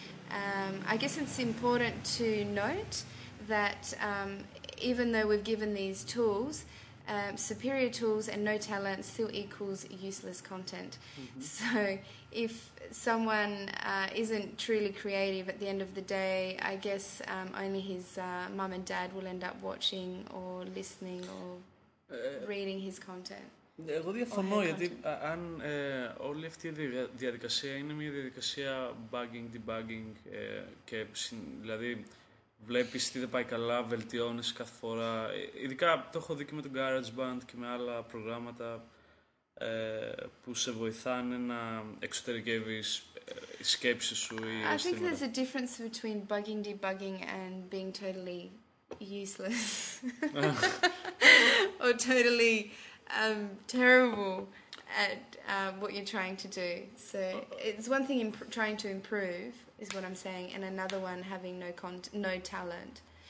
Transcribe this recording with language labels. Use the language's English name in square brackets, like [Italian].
[English] I guess it's important to note that even though we've given these tools, superior tools and no talent still equals useless content. Mm-hmm. So if someone isn't truly creative at the end of the day, I guess only his mum and dad will end up watching or listening or reading his content. [Greek] Εγώ διαφωνώ, γιατί αν όλη αυτή η διαδικασία είναι μια διαδικασία bugging, debugging, και δηλαδή βλέπεις τι δεν πάει καλά, βελτιώνεις κάθε φορά. Ειδικά το έχω δει και με το GarageBand και με άλλα προγράμματα που σε βοηθάνε να εξωτερικεύεις σκέψεις σου ή [English] αισθήματα. I think there's a difference between bugging, debugging and being totally useless. Or totally... terrible at what you're trying to do. So it's one thing trying to improve, is what I'm saying, and another one having no talent.